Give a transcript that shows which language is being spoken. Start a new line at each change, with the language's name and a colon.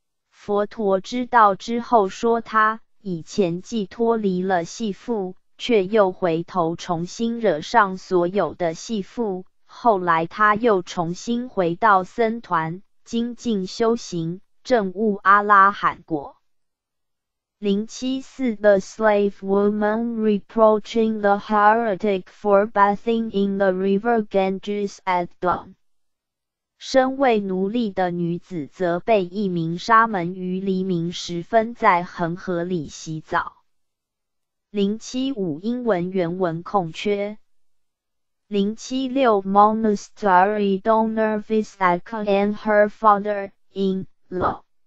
Chinese: 佛陀知道之后说，他以前既脱离了系缚，却又回头重新惹上所有的系缚，后来他又重新回到僧团精进修行，证悟阿拉罕果。
English: 074 The slave woman reproaching the heretic for bathing in the river Ganges at dawn.
Chinese: 身为奴隶的女子则被一名沙门于黎明时分在恒河里洗澡。 075英文原文空缺。
English: 076 Monastery donor Visakha and her father-in-law.